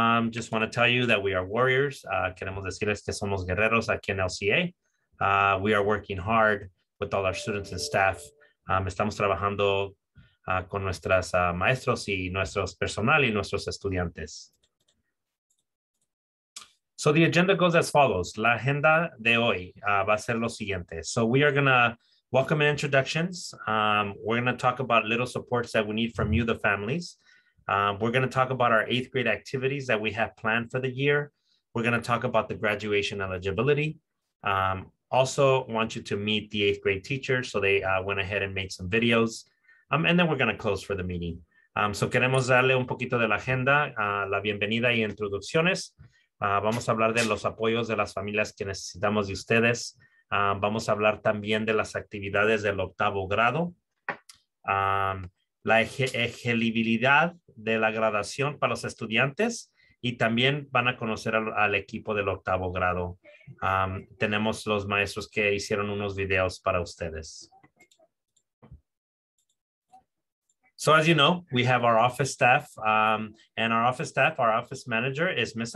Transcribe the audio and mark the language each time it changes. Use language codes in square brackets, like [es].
[en] Just want to tell you that we are warriors. [es] Queremos decirles que somos guerreros aquí en LCA. [en] We are working hard with all our students and staff. [es] Estamos trabajando con nuestras maestros y nuestros personal y nuestros estudiantes. [en] So the agenda goes as follows. [es] La agenda de hoy va a ser lo siguiente. [en] So we are going to welcome and introductions. We're going to talk about little supports that we need from you, the families. We're going to talk about our eighth grade activities that we have planned for the year. We're going to talk about the graduation eligibility. Also want you to meet the eighth grade teacher. So they went ahead and made some videos. And then we're going to close for the meeting. [es] So queremos darle un poquito de la agenda, la bienvenida y introducciones. Vamos a hablar de los apoyos de las familias que necesitamos de ustedes. Vamos a hablar también de las actividades del octavo grado. La elegibilidad de la graduación para los estudiantes y también van a conocer al equipo del octavo grado. Tenemos los maestros que hicieron unos videos para ustedes. [en] So as you know, we have our office staff and our office staff, our office manager is Ms.